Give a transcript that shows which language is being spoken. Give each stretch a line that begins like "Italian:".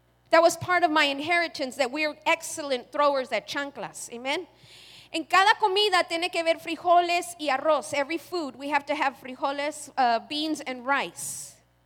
English: That was part of my inheritance, that we're excellent throwers at chanclas. Amen.
Spanish: En cada comida tiene que haber frijoles y arroz.
English: Every food, we have to have frijoles, beans, and rice.